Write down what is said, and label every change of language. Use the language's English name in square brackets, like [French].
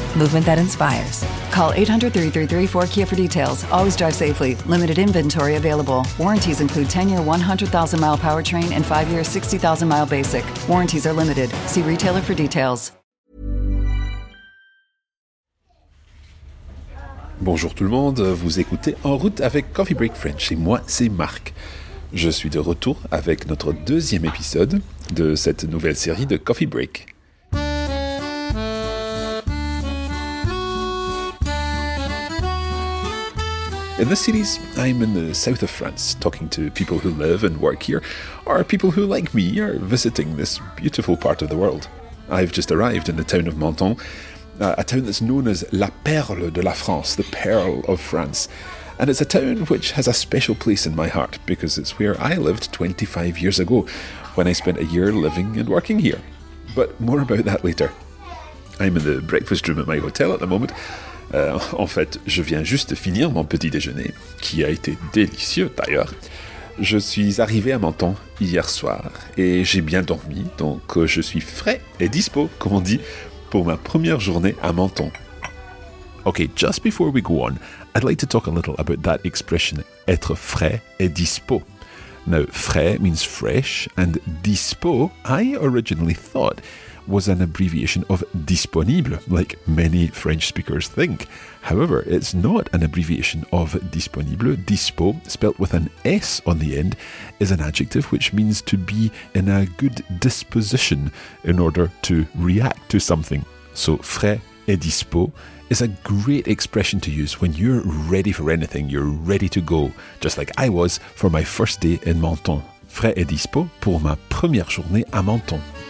[English] Movement that inspires. Call 800-333-4KIA for details. Always drive safely. Limited inventory available. Warranties include 10-year, 100,000-mile powertrain and 5-year, 60,000-mile basic. Warranties are limited. See retailer for details. [French] Bonjour tout le monde, vous écoutez En route avec Coffee Break French et moi c'est Marc. Je suis de retour avec notre deuxième épisode de cette nouvelle série de Coffee Break. [English] In this series, I'm in the south of France, talking to people who live and work here, or people who, like me, are visiting this beautiful part of the world. I've just arrived in the town of Menton, a town that's known as [French] La Perle de la France, [English] the Pearl of France. And it's a town which has a special place in my heart, because it's where I lived 25 years ago, when I spent a year living and working here. But more about that later. I'm in the breakfast room at my hotel at the moment. [French] En fait, je viens juste de finir mon petit déjeuner, qui a été délicieux d'ailleurs. Je suis arrivé à Menton hier soir, et j'ai bien dormi, donc je suis frais et dispo, comme on dit, pour ma première journée à Menton. [English] Okay, just before we go on, I'd like to talk a little about that expression, [French] être frais et dispo. [English] Now, frais means fresh, and dispo, I originally thought, was an abbreviation of disponible, like many French speakers think. However, it's not an abbreviation of disponible. Dispo, spelt with an S on the end, is an adjective which means to be in a good disposition in order to react to something. So, [French] frais et dispo [English] is a great expression to use when you're ready for anything, you're ready to go, just like I was for my first day in Menton. [French] Frais et dispo pour ma première journée à Menton.